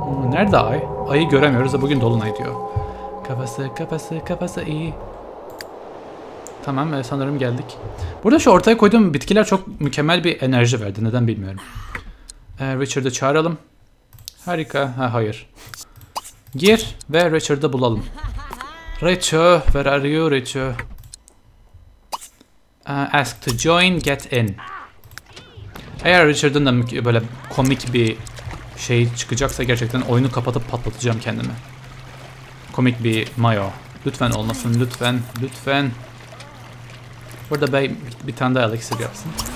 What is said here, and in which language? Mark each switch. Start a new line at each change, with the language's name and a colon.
Turkish: Nerede ay? Ayı göremiyoruz da bugün dolunay diyor. Kafası, kafası, kafası iyi. Tamam, sanırım geldik. Burada şu ortaya koyduğum bitkiler çok mükemmel bir enerji verdi. Neden bilmiyorum. Richard'ı çağıralım. Harika. Ha, hayır. Gir ve Richard'ı bulalım.
English: Richo, where are you, Richo? Ask to join, get in.
Turkish: Eğer Richard'ın da böyle komik bir şey çıkacaksa gerçekten oyunu kapatıp patlatacağım kendimi. Komik bir mayo. Lütfen olmasın, lütfen, lütfen. Burada bir tane daha eliksir yapsın.